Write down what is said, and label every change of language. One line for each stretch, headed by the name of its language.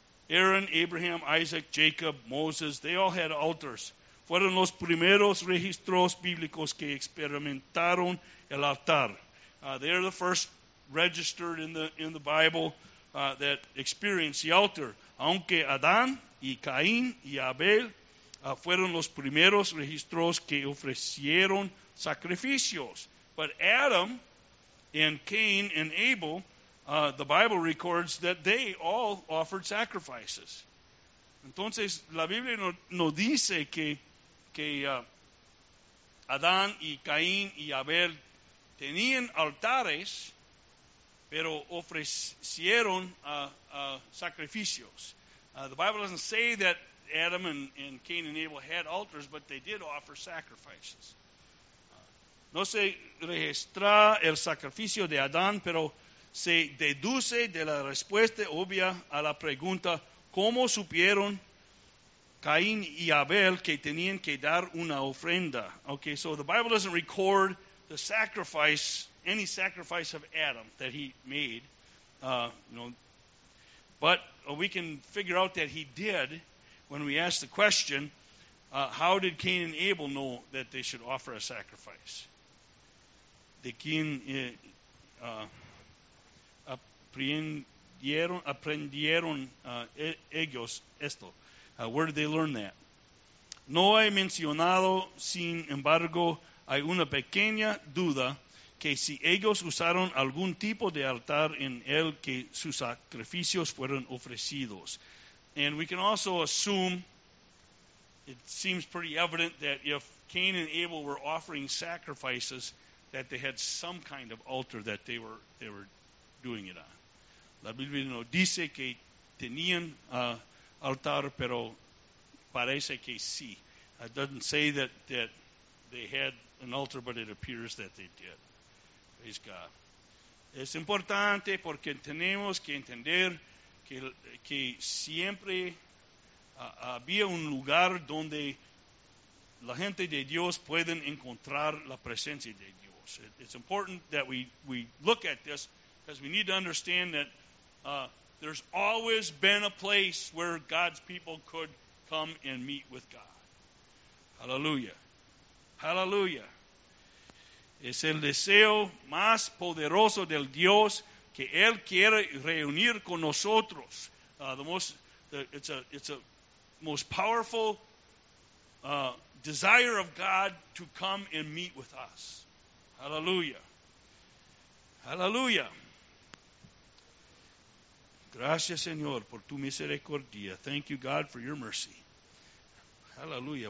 English: Aaron, Abraham, Isaac, Jacob, Moses, they all had altars.
Spanish: Fueron los primeros registros bíblicos que experimentaron el altar.
English: They're the first registered in the Bible that experienced the altar.
Spanish: Aunque Adán y Caín y Abel fueron los primeros registros que ofrecieron sacrificios.
English: But Adam and Cain and Abel, the Bible records that they all offered sacrifices.
Spanish: Entonces, la Biblia no dice que Adán y Caín y Abel tenían altares, pero ofrecieron sacrificios.
English: The Bible doesn't say that Adam and Cain and Abel had altars, but they did offer sacrifices.
Spanish: No se registra el sacrificio de Adán, pero se deduce de la respuesta obvia a la pregunta, ¿cómo supieron Caín y Abel que tenían que dar una ofrenda?
English: Okay, so the Bible doesn't record the sacrifice, any sacrifice of Adam that he made. But we can figure out that he did when we ask the question, how did Cain and Abel know that they should offer a sacrifice?
Spanish: ¿De quién aprendieron ellos esto?
English: Where did they learn that?
Spanish: No he mencionado, sin embargo, hay una pequeña duda que si ellos usaron algún tipo de altar en el que sus sacrificios fueron ofrecidos.
English: And we can also assume, it seems pretty evident that if Cain and Abel were offering sacrifices, that they had some kind of altar that they were doing it on.
Spanish: La Biblia no dice que tenían altar, pero parece que sí.
English: It doesn't say that they had an altar, but it appears that they did. Praise God.
Spanish: Es importante porque tenemos que entender que siempre había un lugar donde la gente de Dios pueden encontrar la presencia de Dios.
English: It's important that we look at this because we need to understand that there's always been a place where God's people could come and meet with God. Hallelujah. Hallelujah.
Spanish: Es el deseo más poderoso del Dios que Él quiere reunir con nosotros.
English: It's a most powerful desire of God to come and meet with us. Hallelujah. Hallelujah.
Spanish: Gracias, Señor, por tu misericordia.
English: Thank you, God, for your mercy. Hallelujah.